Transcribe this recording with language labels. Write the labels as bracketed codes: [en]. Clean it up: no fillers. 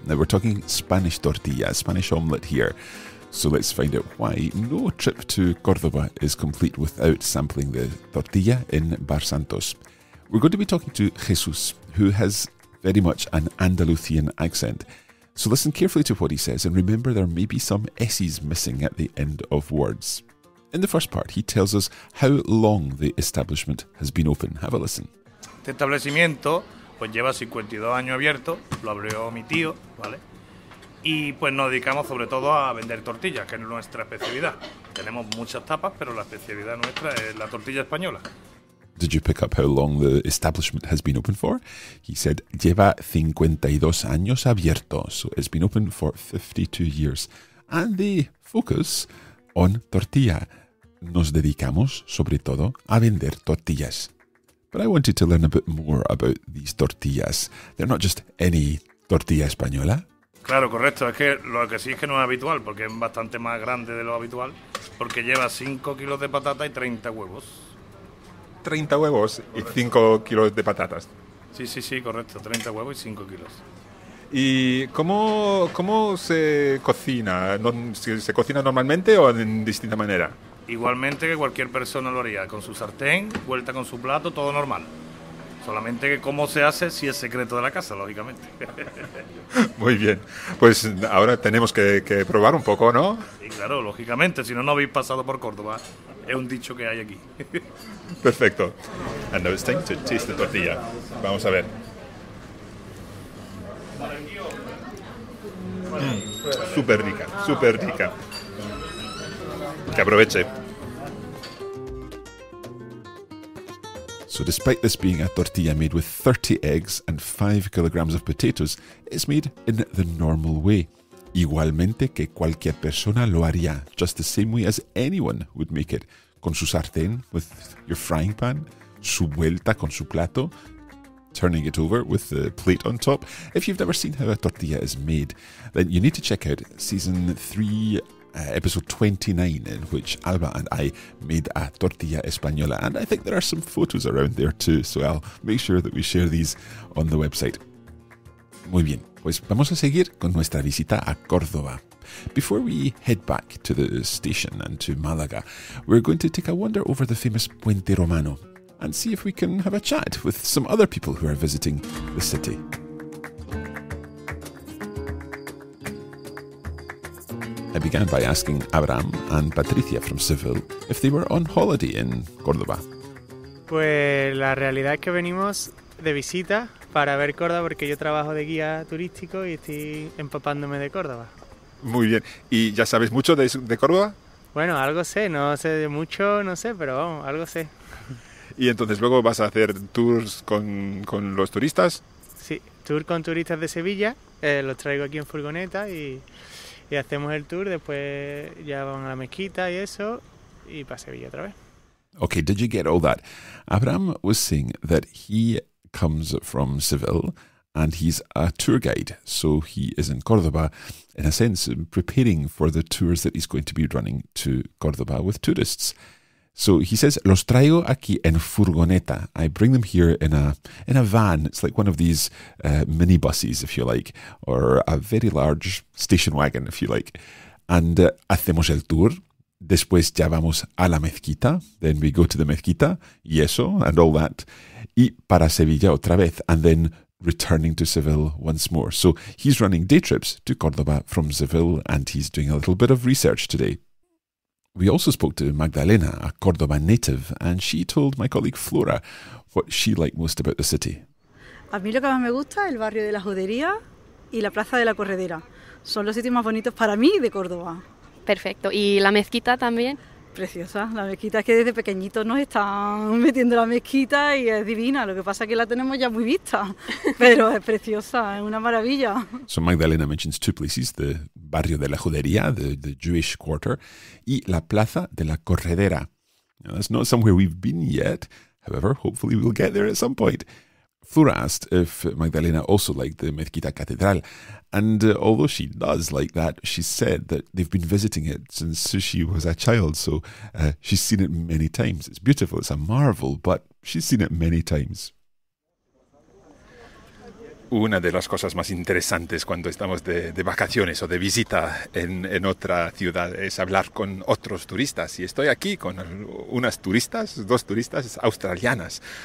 [en] Now, we're talking Spanish tortilla, Spanish omelette here. So let's find out why no trip to Córdoba is complete without sampling the tortilla in Bar Santos. We're going to be talking to Jesús, who has very much an Andalusian accent. So listen carefully to what he says, and remember there may be some S's missing at the end of words. In the first part, he tells us how long the establishment has been open. Have a listen. [es] Este establecimiento pues lleva 52 años abierto, lo abrió mi tío, ¿vale? Y pues nos dedicamos sobre todo a vender tortillas, que es nuestra especialidad. Tenemos muchas tapas, pero la especialidad nuestra es la tortilla española. [en] Did you pick up how long the establishment has been open for? He said, [es] lleva 52 años abierto. [en] So it's been open for 52 years. And the focus on tortilla. [es] Nos dedicamos, sobre todo, a vender tortillas. [en] But I wanted to learn a bit more about these tortillas. They're not just any tortilla española. [es] Claro, correcto. Es que lo que sí es que no es habitual, porque es bastante más grande de lo habitual, porque lleva 5 kilos de patata y 30 huevos. 30 huevos y 5 kilos de patatas. Sí, correcto. 30 huevos y 5 kilos. ¿Y cómo se cocina? ¿Se cocina normalmente o en distinta manera? Igualmente que cualquier persona lo haría, con su sartén, vuelta con su plato, todo normal. Solamente que cómo se hace si es secreto de la casa, lógicamente. Muy bien, pues ahora tenemos que probar un poco, ¿no? Sí, claro, lógicamente, si no habéis pasado por Córdoba, es un dicho que hay aquí. Perfecto. [en] And now it's time to taste the tortilla. [es] Vamos a ver. Súper rica, súper rica. Que aproveche. [en] So despite this being a tortilla made with 30 eggs and 5 kilograms of potatoes, it's made in the normal way. [es] Igualmente que cualquier persona lo haría, [en] just the same way as anyone would make it. [es] Con su sartén, [en] with your frying pan, [es] su vuelta con su plato, [en] turning it over with the plate on top. If you've never seen how a tortilla is made, then you need to check out season 3, episode 29, in which Alba and I made a tortilla española. And I think there are some photos around there too, so I'll make sure that we share these on the website. [es] Muy bien, pues vamos a seguir con nuestra visita a Córdoba. [en] Before we head back to the station and to Málaga, we're going to take a wander over the famous Puente Romano and see if we can have a chat with some other people who are visiting the city. I began by asking Abraham and Patricia from Seville if they were on holiday in Córdoba. [es] Pues la realidad es que venimos de visita para ver Córdoba porque yo trabajo de guía turístico y estoy empapándome de Córdoba. Muy bien. ¿Y ya sabes mucho de Córdoba? Bueno, algo sé. No sé de mucho, no sé, pero vamos, algo sé. Y entonces luego vas a hacer tours con los turistas. Sí, tour con turistas de Sevilla. Los traigo aquí en furgoneta y hacemos el tour. Después ya van a la mezquita y eso, y para Sevilla otra vez. [en] Okay, did you get all that? Abraham was saying that he comes from Seville and he's a tour guide. So he is in Córdoba, in a sense, preparing for the tours that he's going to be running to Córdoba with tourists. So he says, [es] los traigo aquí en furgoneta. [en] I bring them here in a van. It's like one of these minibuses, if you like, or a very large station wagon, if you like. [es] And hacemos el tour. Después ya vamos a la mezquita. [en] Then we go to the mezquita. [es] Y eso, [en] and all that. [es] Y para Sevilla otra vez. [en] And then returning to Seville once more. So he's running day trips to Córdoba from Seville, and he's doing a little bit of research today. We also spoke to Magdalena, a Córdoba native, and she told my colleague Flora what she liked most about the city. [es] A mí lo que más me gusta es el barrio de la Judería y la Plaza de la Corredera. Son los sitios más bonitos para mí de Córdoba. Perfecto. ¿Y la mezquita también? Preciosa. La mezquita es que desde pequeñitos nos están metiendo la mezquita y es divina. Lo que pasa es que la tenemos ya muy vista, pero es preciosa, es una maravilla. [en] So Magdalena mentions two places, the barrio de la Judería, the Jewish quarter, y la Plaza de la Corredera. Now, that's not somewhere we've been yet. However, hopefully we'll get there at some point. Flora asked if Magdalena also liked the Mezquita Catedral, and although she does like that, she said that they've been visiting it since she was a child, so she's seen it many times. It's beautiful, it's a marvel, but she's seen it many times. [es] Una de las cosas más interesantes cuando estamos de vacaciones o de visita en otra ciudad es hablar con otros turistas, y estoy aquí con dos turistas australianas.